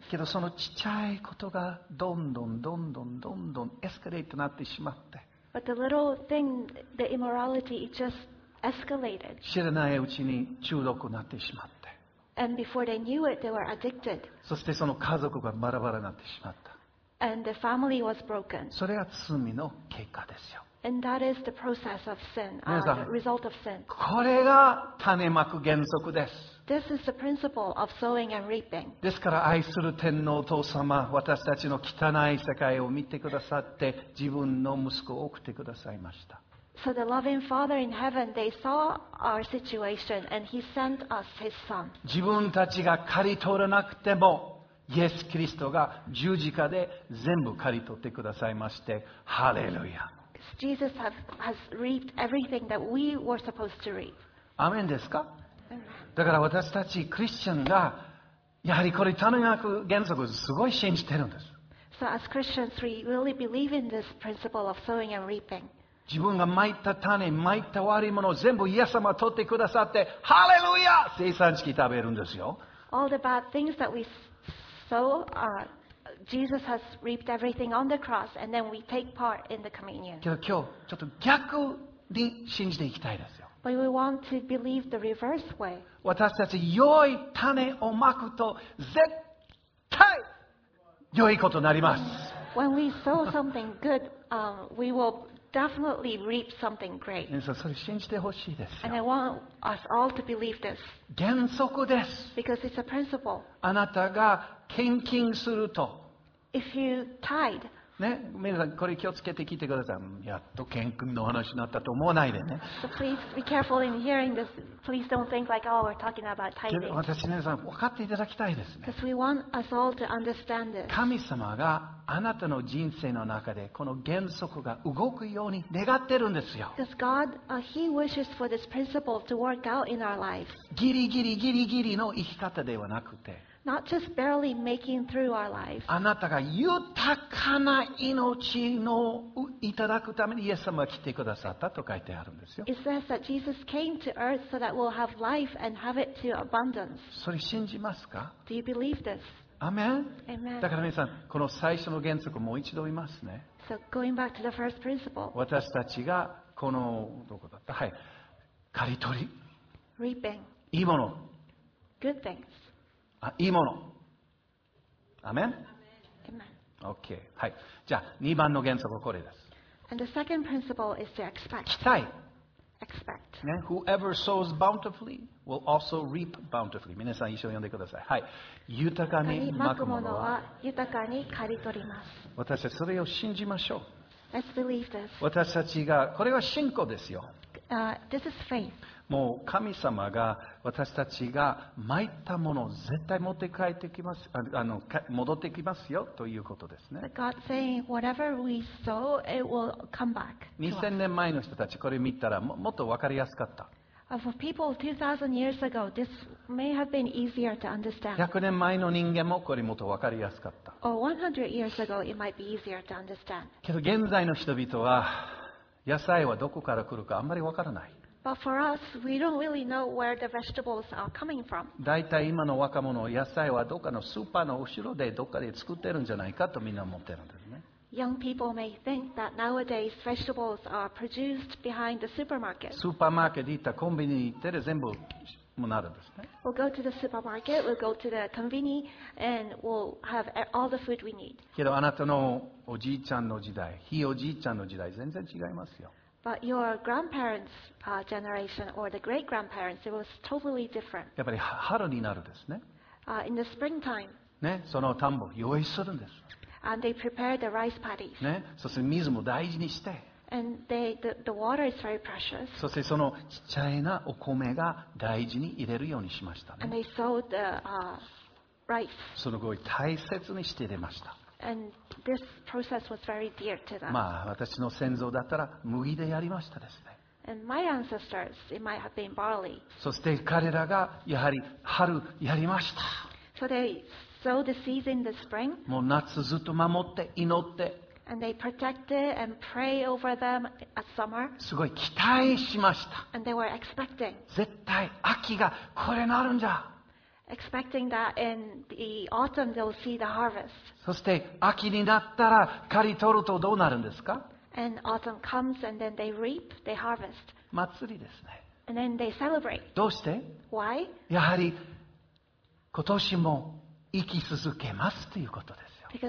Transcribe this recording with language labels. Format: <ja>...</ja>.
<ja>けどそのちっちゃいことがどんどんどんどんどんどんエスカレートになってしまって。</ja> <en>But the little thing, the immorality, it just escalated.</en> <ja>知らないうちに中毒になってしまって。</ja> <en>And before they knew it, they were addicted.</en> <ja>そしてその家族がバラバラになってしまった。</ja> <en>And the family was broken.</en> <ja>それが罪の結果ですよ。</ja> <en>And that is the process of sin, the result of sin.</en> <ja>これが種まく原則です。</ja> <en>This is the principle of sowing and reaping.</en> <ja>ですから愛する天皇お父様、私たちの汚い世界を見てくださって、自分の息子を送ってくださいました。</ja> <en>So the loving Father in heaven, they saw our situation and He sent us His Son.</en> <ja>自分たちが刈り取らなくても、イエス・キリストが十字架で全部刈り取ってくださいまして、ハレルヤ。</ja> <en>Jesus has reaped everything that we were supposed to reap.</en> <ja>アメンですか？だから私たちクリスチャンが、やはりこれ種まく原則をすごい信じてるんです。</ja> <en>So as Christians, we really believe in this principle of sowing and reaping.</en> <ja>自分が蒔いた種、蒔いた悪いものを全部イエス様が取ってくださって、ハレルヤ！生産式食べるんですよ。</ja> <en>All the bad things that we sow, Jesus has reaped everything on the cross, and then we take part in the communion.</en> <ja>けど今日、ちょっと逆に信じていきたいですよ。</ja> <en>But we want to believe the reverse way.</en> <ja>私たち、良い種をまくと、絶対良いことになります。</ja> <en>When we sow something good, we will... Definitely reap something great.</en> <ja>皆さんそれ信じてほしいですよ。</ja> <en>And I want us all to believe this.</en> <ja>原則です。</ja> <en>Because it's a principle.</en> <ja>あなたが献金すると。</ja> <en>If you tithe.</en> <ja>ね、皆さんこれ気をつけて聞いてください。やっと献金の話になったと思わないでね。</ja> <en>So please be careful in hearing this. Please don't think like, oh, we're talking about tithing.</en> <ja>私皆さん分かっていただきたいですね。</ja> <en>Because we want us all to understand this.</en> <ja>神様が。あなたの人生の中でこの原則が動くように願ってるんですよ。</ja> <en>Because God, He wishes for this principle to work out in our lives.</en> <ja>ギリギリギリギリの生き方ではなくて、</ja> <en>Not just barely making through our lives.</en> <ja>あなたが豊かな命のいただくためにイエス様が来てくださったと書いてあるんですよ。</ja> <en>It says that Jesus came to earth so that we'll have life and have it to abundance.</en> <ja>それ信じますか？</ja> <en>Do you believe this?</en> <ja>アメン。</ja> <en>Amen.</en> <ja>だから皆さん、この最初の原則をもう一度言いますね。</ja> <en>So going back to the first principle.</en> <ja>私たちがこのどこだった？はい、刈り取り。</ja> <en>Reaping.</en> <ja>いいもの。</ja> <en>Good things.</en> <ja>あ、いいもの。アメン。</ja> <en>Amen.</en> <ja>OK。 はい。じゃあ2番の原則はこれです。</ja> <en>And the second principle is to expect.</en> <ja>期待。</ja> <en>Expect. ね、Whoever sows bountifully will also reap bountifully.</en> <ja>皆さん一緒に読んでください。はい、豊かにまくものは豊かに刈り取ります。私たちそれを信じましょう。</ja> <en>Let's believe this.</en> <ja>私たちがこれは信仰ですよ。</ja> <en>This is faith.</en> <ja>もう神様が私たちが蒔いたものを絶対持って帰ってきます、戻ってきますよということですね。</ja> <en>God saying whatever we sow, it will come back.</en> <ja>2000年前の人たちこれ見たらもっと分かりやすかった。</ja> <en>For people 2000 years ago, this may have been easier to understand.</en> <ja>100年前の人間もこれもっと分かりやすかった。</ja> <en>Or 100 years ago, it might be easier to understand.</en> <ja>けど現在の人々は野菜はどこから来るかあんまり分からない。</ja> <en>But for us, we don't really know where the vegetables are coming from.</en> <ja>だいたい今の若者は野菜はどっかのスーパーの後ろでどっかで作ってるんじゃないかとみんな思ってるんですね。</ja> <en>Young people may think that nowadays vegetables are produced behind the supermarket.</en> <ja>スーパーマーケット行ったらコンビニ行ったら全部もなるんですね。</ja> <en>We'll go to the supermarket, we'll go to the convenience, and we'll have all the food we need.</en> <ja>けどあなたのおじいちゃんの時代、ひいおじいちゃんの時代全然違いますよ。</ja> <en>But your grandparents' generation or the great grandparents, it was totally different.</en> <ja>やっぱり春になるですね。</ja> <en>In the springtime.</en> <ja>ね、その田んぼ用意するんです。</ja> <en>And they prepare the rice paddies.</en> <ja>ね、そして水も大事にして。</ja> <en>And the water is very precious.</en> <ja>そしてそのちっちゃいなお米が大事に入れるようにしましたね。</ja> <en>And they sowed the rice.</en> <ja>そのごい大切にして入れました。</ja> <en>And this process was very dear to them.</en> <ja>まあ私の先祖だったら麦でやりましたですね。</ja> <en>And my ancestors, it might have been barley.</en> <ja>そして彼らがやはり春やりました。</ja> <en>So they sowed the seeds in the spring.</en> <ja>もう夏ずっと守って祈って。</ja> <en>And they protected and pray over them at summer.</en> <ja>すごい期待しました。</ja> <en>And they were expecting.</en> <ja>絶対秋がこれなるんじゃ。</ja> <en>Expecting that in the autumn they'll see the harvest.</en> <ja>そして秋になったら刈り取るとどうなるんですか？</ja> <en>And autumn comes and then they reap, they harvest.</en> <ja>祭りですね。</ja> <en>And then they celebrate.</en> <ja>どうして？</ja> <en>Why?</en> <ja>やはり今年も生き続けますということですよ。</ja>